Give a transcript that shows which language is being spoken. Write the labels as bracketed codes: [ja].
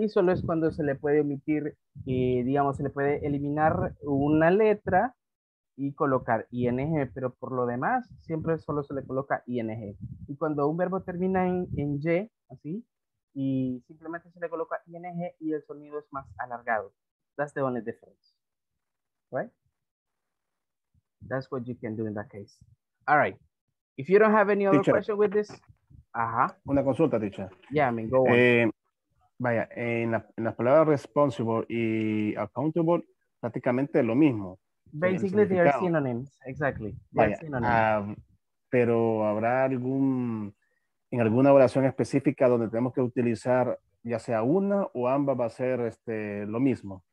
[es] Ahí solo es cuando se le puede omitir, digamos, se le puede eliminar una letra y colocar ING. Pero por lo demás, siempre solo se le coloca ING. Y cuando un verbo termina en Y, así, y simplemente se le coloca ING y el sonido es más alargado. [en] That's the only difference. Right? That's what you can do in that case. All right. If you don't have any other teacher, question with this. Ajá. [es] Una consulta, teacher. [en] Yeah, I mean, go on. [es] Vaya, en la palabra responsible y accountable, prácticamente lo mismo. [en] Basically, they are synonyms. Exactly. [es] Vaya, pero habrá algún, en alguna oración específica donde tenemos que utilizar ya sea una o ambas va a ser este, lo mismo.